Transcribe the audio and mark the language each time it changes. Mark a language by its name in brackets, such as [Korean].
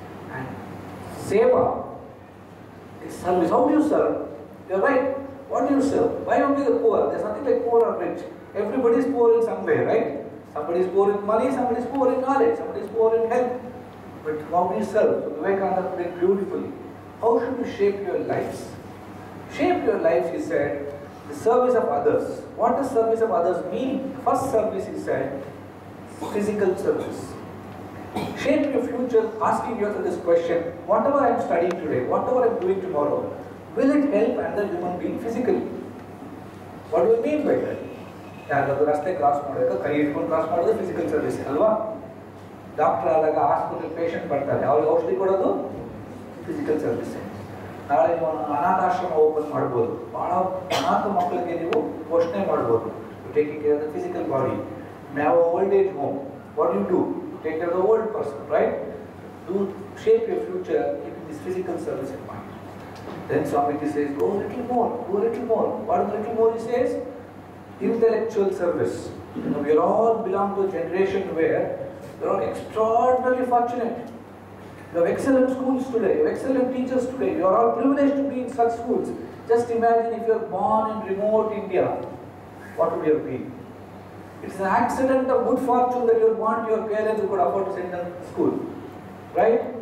[English] And seva is service. How you serve? You are right. What you serve? Why only the poor? There something like poor or rich. Everybody is poor in some way, right? Somebody is poor in money, somebody is poor in knowledge, somebody is poor in health. But how you serve? Vivekananda put it beautifully. How should you shape your lives? Shape your lives, he said, the service of others. What does service of others mean? First service, he said, physical service. Shape your future, asking yourself this question, whatever I am studying today, whatever I am doing tomorrow, will it help another human being physically? What do you mean by that? [Kannada] ಯಾರಾದರೂ ರಸ್ತೆ cross ಮಾಡಬೇಕು, ಕೈ ಹಿಡ್ಕೊಂಡು cross ಮಾಡೋದು physical service ಅಲ್ವಾ. Doctor ಆದಾಗ ಆಸ್ಪತ್ರೆ patient ಬರ್ತಾರೆ, ಅವ್ರಿಗೆ ಔಷಧಿ ಕೊಡೋದು ಫಿಸಿಕಲ್ ಸರ್ವಿಸ್. ನಾಳೆ ನೀವು ಅನಾಥಾಶ್ರಮ ಓಪನ್ ಮಾಡ್ಬೋದು, ಭಾಳ ಅನಾಥ ಮಕ್ಕಳಿಗೆ ನೀವು ಪೋಷಣೆ ಮಾಡ್ಬೋದು. [English] Taking care of the physical body. ನಾವು old age home, what you do, take care the old person, right? Do shape your future in this physical service in mind. Then Swamiji says go little more, go little more. What little more is says? Intellectual service. We are all belong to generation where we are extraordinary fortunate. You have excellent schools today, you have excellent teachers today, you are all privileged to be in such schools. Just imagine if you are born in remote India, what would you have been? It's an accident of good fortune that you are born to your parents who could afford to send them to school. Right?